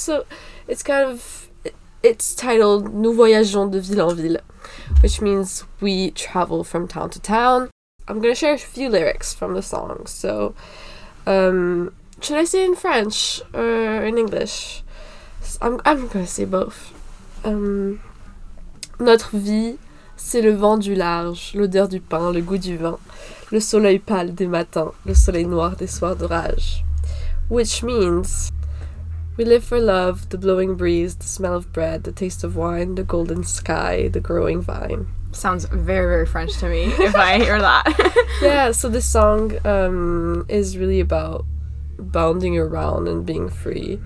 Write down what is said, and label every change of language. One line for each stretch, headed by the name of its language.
English: So it's kind of, it's titled
French: Nous voyageons de ville en ville,
English: which means we travel from town to town. I'm going to share a few lyrics from the song. So, should I say in French or in English? I'm going to say both.
French: Notre vie, c'est le vent du large, l'odeur du pain, le goût du vin, le soleil pâle des matins, le soleil noir des soirs d'orage.
English: Which means, we live for love, the blowing breeze, the smell of bread, the taste of wine, the golden sky, the growing vine. Sounds very, very French to me, if I hear that. Yeah, so this song is really about bounding around and being free.